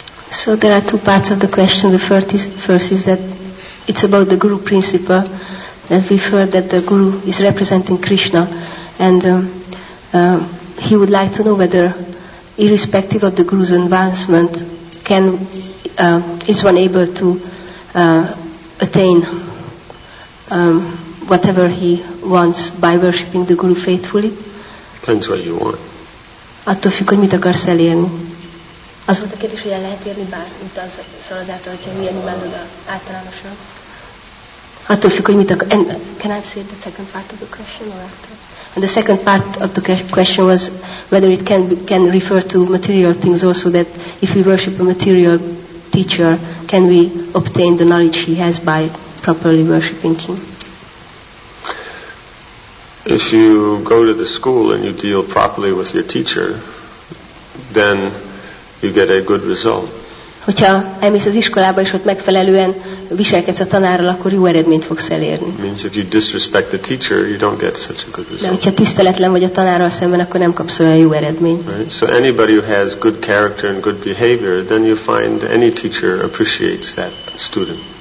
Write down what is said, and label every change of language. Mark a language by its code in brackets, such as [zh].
[en] So there are two parts of the question. The first is that it's about the guru principle, that we've heard that the guru is representing Krishna, and he would like to know whether, irrespective of the guru's advancement, is one able to attain whatever he wants by worshipping the guru faithfully? Depends what you want. [hu] Attól függ, hogy mit akarsz elérni. Az volt a kérdés, hogy el lehet érni bármit az, szóval azáltal, hogyha milyen imádod általánosan. Attól függ, hogy mit akar. [en] Can I say the second part of the question? And the second part of the question was whether it can refer to material things also, that if we worship a material teacher, can we obtain the knowledge he has by properly worshiping him? If you go to the school and you deal properly with your teacher, then you get a good result. [hu] Hogyha elmész az iskolába és ott megfelelően viselkedsz a tanárral, akkor jó eredményt fogsz elérni. [en] Means if you disrespect the teacher, you don't get such a good result. [hu] De hogyha tiszteletlen vagy a tanárral szemben, akkor nem kapsz olyan jó eredményt. [en] Right? So anybody who has good character and good behavior, then you find any teacher appreciates that student.